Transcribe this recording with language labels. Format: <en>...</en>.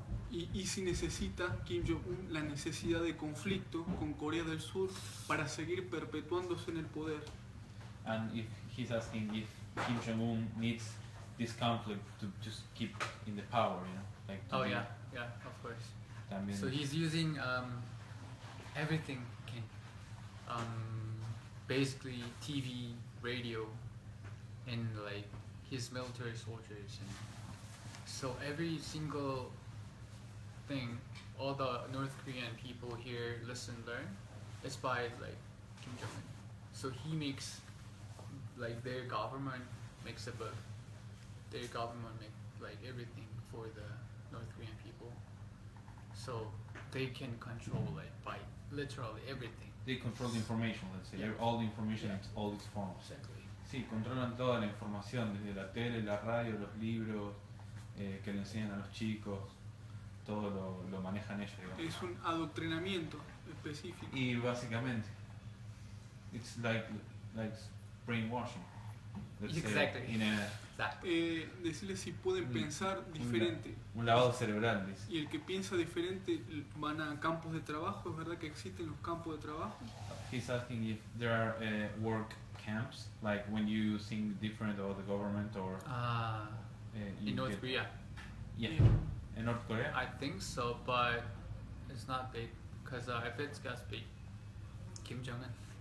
<es>Y si necesita Kim Jong-un la necesidad de conflicto con Corea del Sur para seguir perpetuándose en el poder.</es> <en>And if he's asking if Kim Jong-un needs this conflict to just keep in the power, you know. Yeah, of course. So he's using everything, okay. Basically TV, radio, and like his military soldiers. And so every single thing, all the North Korean people here listen, learn, is by like Kim Jong-un. So he makes, like, their government makes a book. Their government make like everything for the North Korean people, so they can control it by literally everything. They control the information, let's say, yeah. All the information, yeah. In all its forms. Exactly.</en> <es>Sí, controlan toda la información, desde la tele, la radio, los libros, que le enseñan a los chicos, todo lo manejan ellos. Digamos. Es un adoctrinamiento específico. Y básicamente,</es> <en>it's like brainwashing, let's exactly. Say, in a...</en> <es>Decirles si pueden pensar diferente. Un lavado cerebral, dice. Y el que piensa diferente van a campos de trabajo, ¿es verdad que existen los campos de trabajo?</es> <en>He's asking if there are work camps, like when you think different about the government or... in North Korea. Yeah. In North Korea? I think so, but it's not big, because if it's got to be Kim Jong-un.</en>